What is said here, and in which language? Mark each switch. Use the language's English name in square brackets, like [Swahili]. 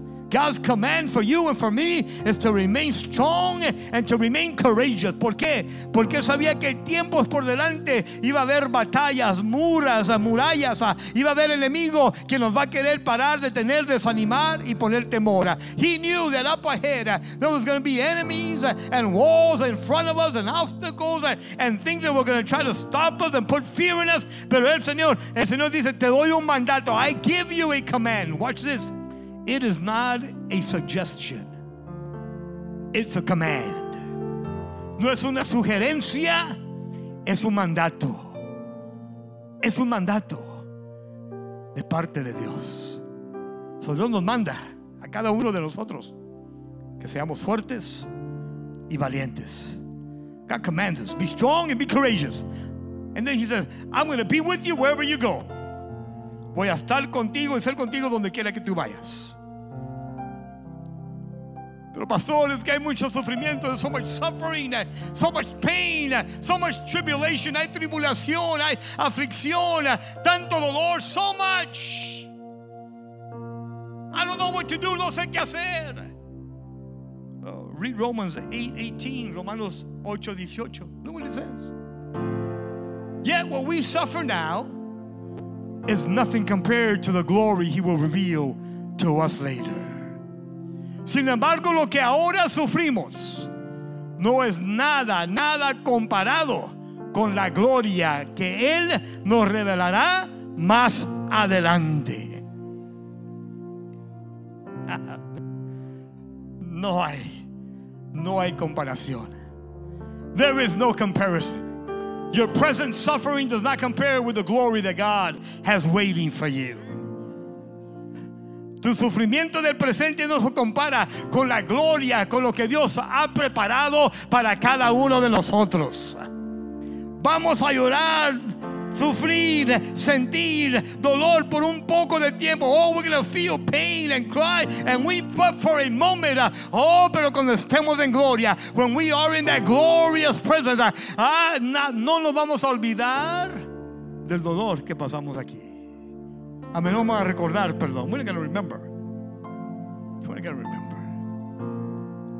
[English] God's command for you and for me is to remain strong and to remain courageous. [Spanish] ¿Por qué? Porque sabía que tiempos por delante iba a haber batallas, muras, murallas. Iba a haber enemigo que nos va a querer parar, detener, desanimar y poner temor. [English] He knew that up ahead there was going to be enemies and walls in front of us and obstacles and things that were going to try to stop us and put fear in us. [Spanish] Pero el Señor dice, te doy un mandato. [English] I give you a command. Watch this. It is not a suggestion. It's a command. [Spanish] No es una sugerencia, es un mandato. Es un mandato de parte de Dios. So Dios nos manda a cada uno de nosotros que seamos fuertes y valientes. [English] God commands us, be strong and be courageous. And then he says, I'm going to be with you wherever you go. [Spanish] Voy a estar contigo y ser contigo donde quiera que tú vayas. Pero pastor, es que hay mucho sufrimiento, [English] so much suffering, so much pain, so much tribulation, [Spanish] hay tribulación, hay aflicción, tanto dolor, [English] so much. I don't know what to do, [Spanish] no sé qué hacer. [English] Read Romans 8:18, Romanos 8:18. Look what it says. Yet what we suffer now is nothing compared to the glory he will reveal to us later. [Spanish] Sin embargo, lo que ahora sufrimos no es nada, nada comparado con la gloria que Él nos revelará más adelante. No hay comparación. [English] There is no comparison. Your present suffering does not compare with the glory that God has waiting for you. [Spanish] Tu sufrimiento del presente no se compara con la gloria, con lo que Dios ha preparado para cada uno de nosotros. Vamos a llorar, sufrir, sentir dolor por un poco de tiempo. [English] Oh, we're going to feel pain and cry and weep for a moment. [Spanish] Oh, pero cuando estemos en gloria, [English] when we are in that glorious presence, [Spanish] no nos vamos a olvidar del dolor que pasamos aquí. A menos vamos a recordar, perdón. [English] We're not going to remember. We're not going to remember.